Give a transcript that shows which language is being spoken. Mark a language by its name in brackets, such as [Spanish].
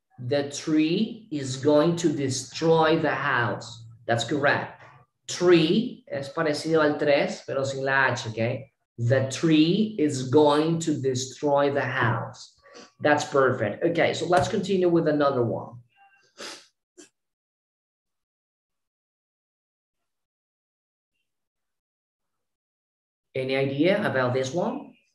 [English] The tree is going to destroy the house. That's correct. [Spanish] Tree es parecido al tres, pero sin la H, ¿ok? [English] The tree is going to destroy the house. That's perfect. Okay, so let's continue with another one. Any idea about this one?